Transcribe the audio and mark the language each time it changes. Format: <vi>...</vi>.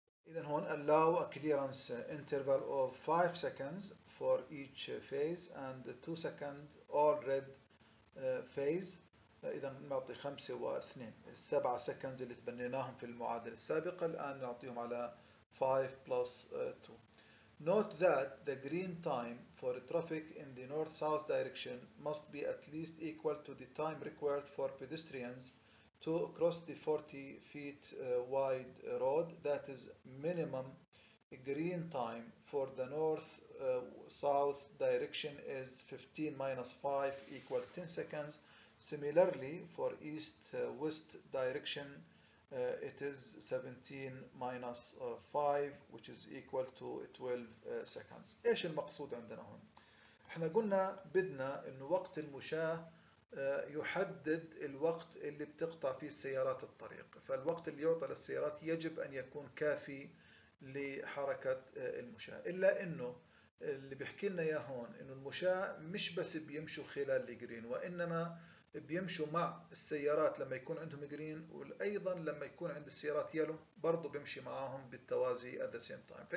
<ar>إذن هون</ar> <en>allow a clearance interval of 5 seconds for each phase and 2 second all red phase.</en> <ar>إذن نعطي 5 و 2، 7 seconds اللي تبنيناهم في المعادلة السابقة الآن نعطيهم على 5 plus 2.</ar> <en>Note that the green time for traffic in the north-south direction must be at least equal to the time required for pedestrians to cross the 40 feet wide road. That is minimum green time for the north south direction is 15 minus 5 equal 10 seconds. Similarly for east west direction it is 17 minus 5 which is equal to 12 seconds.</en> <ar>ايش المقصود عندنا هون؟ احنا قلنا بدنا انه وقت المشاة يحدد الوقت اللي بتقطع فيه السيارات الطريق، فالوقت اللي يعطى للسيارات يجب أن يكون كافي لحركة المشاة، إلا أنه اللي بيحكي لنا يا هون أنه المشاة مش بس بيمشوا خلال الجرين، وإنما بيمشوا مع السيارات لما يكون عندهم جرين، وأيضا لما يكون عند السيارات يلو برضو بيمشي معاهم بالتوازي</ar> <en>at the same time.</en>